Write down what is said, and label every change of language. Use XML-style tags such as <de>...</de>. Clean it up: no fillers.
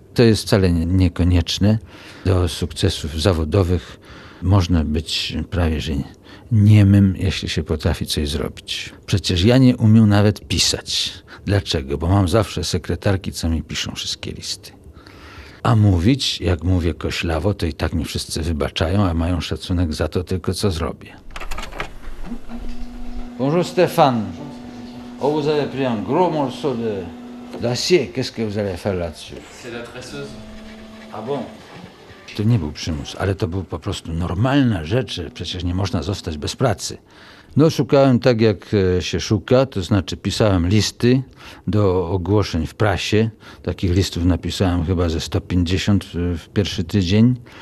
<pl>To jest wcale niekonieczne. Do sukcesów zawodowych można być prawie że niemym, jeśli się potrafi coś zrobić. Przecież ja nie umiem nawet pisać. Dlaczego? Bo mam zawsze sekretarki, co mi piszą wszystkie listy. A mówić, jak mówię koślawo, to i tak mi wszyscy wybaczają, a mają szacunek za to tylko, co zrobię.</pl> <fr>Bonjour Stéphane. Oh, vous avez pris un gros morceau de d'acier. Qu'est-ce que vous allez faire là-dessus? C'est la tresseuse. Ah bon?</fr> <pl>To nie był przymus, ale to był po prostu normalna rzecz. Przecież nie można zostać bez pracy. No, szukałem tak, jak się szuka. To znaczy, pisałem listy do ogłoszeń w prasie. Takich listów napisałem chyba ze 150 w pierwszy tydzień.</pl>